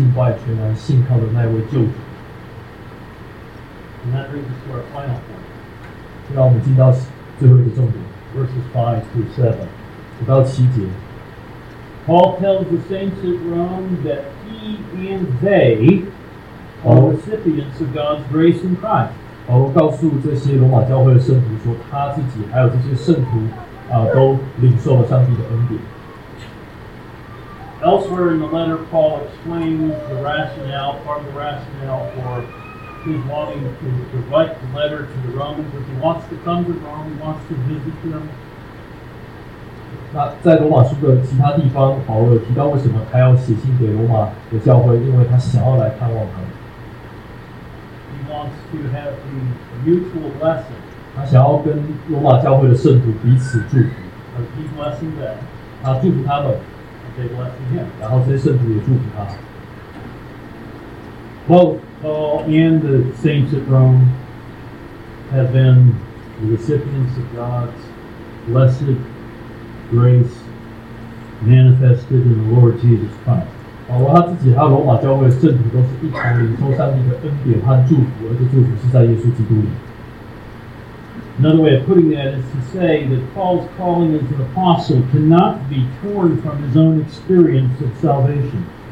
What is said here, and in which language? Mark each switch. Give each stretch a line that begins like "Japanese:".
Chinese: 弟兄姐妹，我们需要问自己的问题是：耶稣基督是不是我们愿意屈膝敬拜、全然信靠的那位救主？
English: And that brings us to our final point.
Chinese: 让我们进到最后一个重点。
English: Verses 5-7,
Chinese: 五到七节。
English: Paul tells the saints at Rome that he and they are recipients of God's grace in Christ.
Chinese: 告诉这些罗马教会的圣徒说, 他自己还有这些圣徒, 都领受了上帝的恩典。
English: Elsewhere in the letter, Paul explains the rationale, part of the rationale for his wanting to write the letter to the Romans, if he wants to come to Rome, he wants to visit them.
Chinese: 那在罗马书的其他地方, 保罗提到为什么他要写信给罗马的教会, 因为他想要来看望他们。
English: Wants to have the mutual blessing.
Chinese: 他想要跟罗马教会的圣徒彼此祝福.
English: A deep blessing them.
Chinese: 他祝福他们.
English: A big blessing him.
Chinese: 然后这些圣徒也祝福他.
English: Both Paul and the saints at Rome have been the recipients of God's blessed grace manifested in the Lord Jesus Christ.
Chinese: 保罗他自己和罗马教会的圣徒都是一同领受上帝的恩典和祝福，而这祝福是在耶稣基督里。
English: Another way of putting that is to say that Paul's calling as an apostle cannot be torn from his own experience of salvation.